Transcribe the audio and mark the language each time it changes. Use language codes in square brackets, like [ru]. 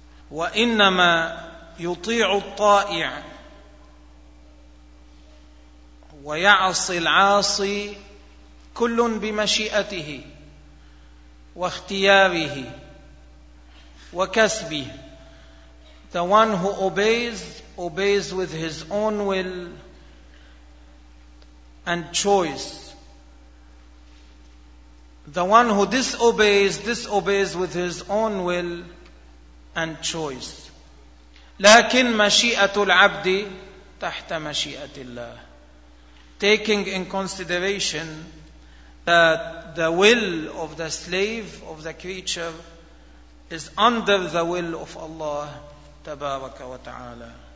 [ar] وإنما يطيع الطائع ويعصي العاصي كل بمشيئته واختياره وكسبه. [en] The one who obeys, obeys with his own will and choice. The one who disobeys, disobeys with his own will and choice. [ar] لكن مشيئة العبد تحت مشيئة الله. [en] Taking in consideration that the will of the slave, of the creature, is under the will of Allah, Tabaraka wa Ta'ala.